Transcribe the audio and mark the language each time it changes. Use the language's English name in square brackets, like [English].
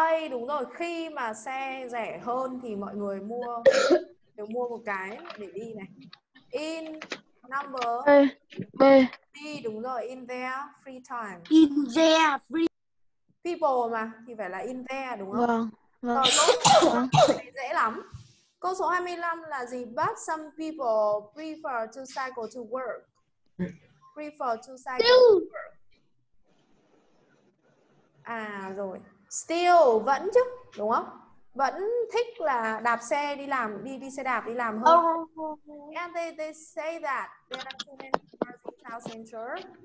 [Vietnamese] Đúng rồi, khi mà xe rẻ hơn thì mọi người mua đều mua một cái để đi này. [English] In number B. [Vietnamese] Đi đúng rồi, [English] in their free time. In their free [Vietnamese] people mà thì phải là [English] in their [Vietnamese] đúng không? Vâng. Rồi, dễ lắm. Câu số 25 là gì? [English] But some people prefer to cycle to work. Prefer to cycle to work. [Vietnamese] À rồi, still vẫn chứ, đúng không? Vẫn thích là đạp xe đi làm, đi xe đạp đi làm hơn. [English] And they say that there are too many cars in town center.